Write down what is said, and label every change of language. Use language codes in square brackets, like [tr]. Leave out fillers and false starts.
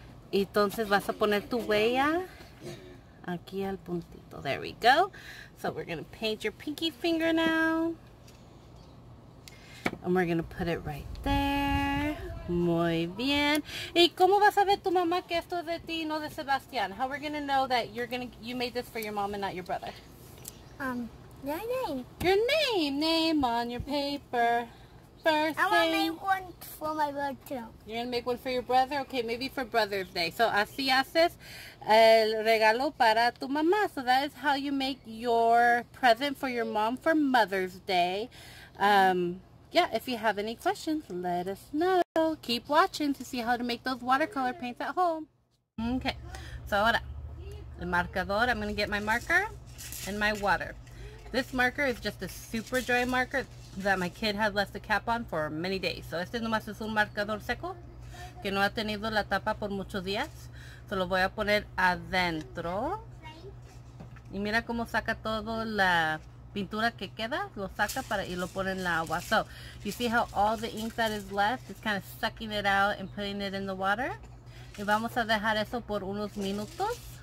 [es] Entonces vas a poner tu huella aquí al puntito. [en] There we go. So we're going to paint your pinky finger now. And we're going to put it right there. [es] Muy bien. ¿Y cómo vas a ver tu mamá que esto es de ti y no de Sebastián? [en] How are we going to know that you made this for your mom and not your brother? Your name. Your name. Name on your paper. First thing. I want to make one for my brother too. You're going to make one for your brother? Okay, maybe for Brother's Day. [es] So así haces el regalo para tu mamá. [en] So that is how you make your present for your mom for Mother's Day. Yeah, if you have any questions, let us know. Keep watching to see how to make those watercolor paints at home. Okay, so [es] ahora, el marcador, [en] I'm going to get my marker and my water. This marker is just a super dry marker that my kid has left the cap on for many days. [es] So este nomás es un marcador seco que no ha tenido la tapa por muchos días. So lo voy a poner adentro. Y mira cómo saca todo la pintura que queda, lo saca para y lo pone en la agua. [en] So, you see how all the ink that is left is kind of sucking it out and putting it in the water. [es] Y vamos a dejar eso por unos minutos.